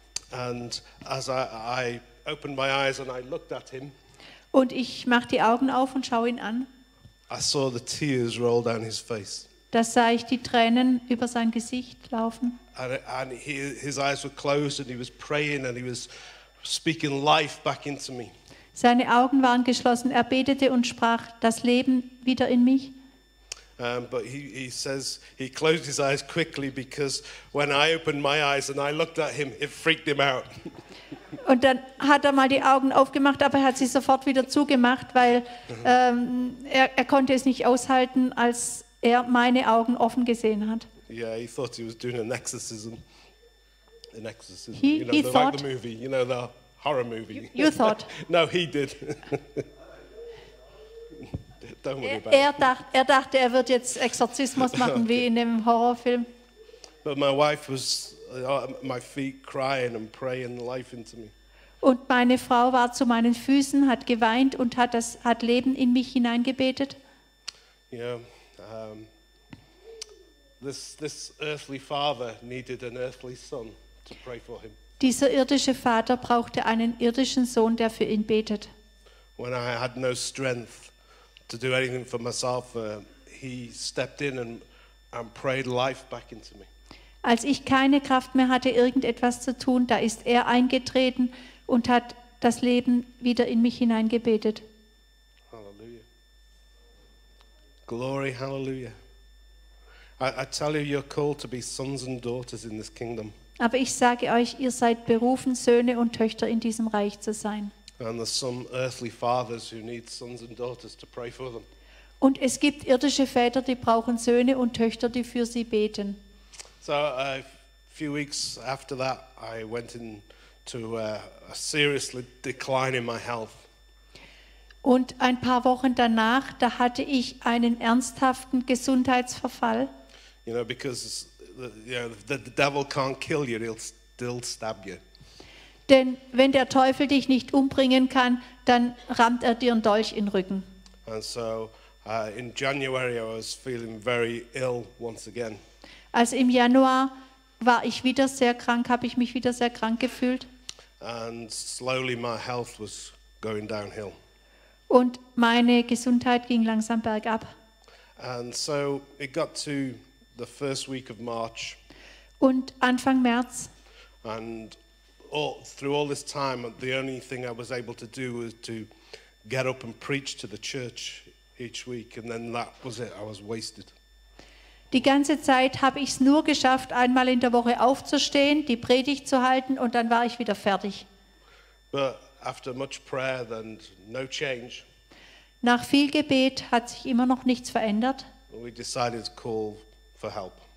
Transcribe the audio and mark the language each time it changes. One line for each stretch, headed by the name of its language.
English: And as I opened my eyes and I looked at him.
German: Und ich mach die Augen auf und schaue ihn an.
English: I saw the tears roll down his face.
German: Da sah ich die Tränen über sein Gesicht laufen.
English: And his eyes were closed and he was praying and he was speaking life back into me.
German: Seine Augen waren geschlossen, er betete und sprach das Leben wieder in mich.
English: But he says he closed his eyes quickly because when I opened my eyes and I looked at him, it freaked him out.
German: Und dann hat er mal die Augen aufgemacht, aber er hat sie sofort wieder zugemacht, weil er konnte es nicht aushalten, als er meine Augen offen gesehen hat.
English: Yeah, he thought he was doing an exorcism. An exorcism. He, you know, he the, thought, like the movie, you know, the horror movie. You thought. No, he did. Don't worry about it.
German: Er dachte, er wird jetzt Exorzismus machen, okay. Wie in dem Horrorfilm.
English: But my wife was my feet crying and praying life into me.
German: Und meine Frau war zu meinen Füßen, hat geweint und hat Leben in mich hineingebetet.
English: Yeah. This earthly father needed an earthly son to pray for him.
German: Dieser irdische Vater brauchte einen irdischen Sohn, der für ihn betet.
English: When I had no strength to do anything for myself, he stepped in and prayed life back into me.
German: Als ich keine Kraft mehr hatte, irgendetwas zu tun, da ist er eingetreten und hat das Leben wieder in mich hineingebetet.
English: Glory, hallelujah. I tell you, you're called to be sons and daughters in this kingdom.
German: Aber ich sage euch, ihr seid berufen, Söhne und Töchter in diesem Reich zu sein.
English: And there's some earthly fathers who need sons and daughters to pray for them.
German: Und es gibt irdische Väter, die brauchen Söhne und Töchter, die für sie beten.
English: So a few weeks after that, I went into a seriously decline in my health.
German: Und ein paar Wochen danach, da hatte ich einen ernsthaften Gesundheitsverfall.
English: You know, because the devil can't kill you, he'll still stab you.
German: Denn wenn der Teufel dich nicht umbringen kann, dann rammt er dir einen Dolch in den Rücken.
English: And so in January I was feeling very ill once again.
German: Also im Januar war ich wieder sehr krank, habe ich mich wieder sehr krank gefühlt.
English: And slowly my health was going downhill.
German: Und meine Gesundheit ging langsam bergab.
English: And so it got to the first week of March.
German: Und Anfang März.
English: And through all this time, the only thing I was able to do was to get up and preach to the church each week, and then that was it. I was wasted.
German: Die ganze Zeit habe ich es nur geschafft, einmal in der Woche aufzustehen, die Predigt zu halten, und dann war ich wieder fertig.
English: But after much prayer and no change.
German: Nach viel Gebet hat sich immer noch nichts verändert.
English: We decided to call for help.